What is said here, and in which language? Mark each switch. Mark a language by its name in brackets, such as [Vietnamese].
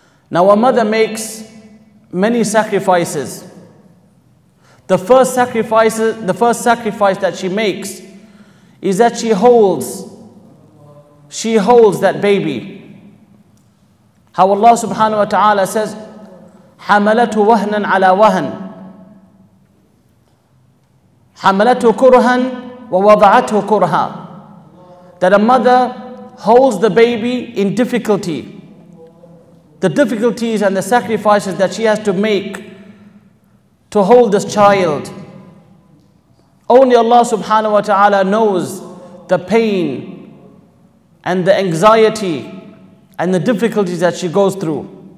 [English] Now a mother makes many sacrifices. The first sacrifice that she makes is that she holds that baby. How Allah subhanahu wa ta'ala says, [Arabic] حَمَلَتُ وَهْنًا عَلَى وَهْنٍ حَمَلَتُ كُرْهًا وَوَضَعَتُ كُرْهًا. [English] That a mother holds the baby in difficulty. The difficulties and the sacrifices that she has to make to hold this child, only Allah subhanahu wa ta'ala knows the pain and the anxiety and the difficulties that she goes through.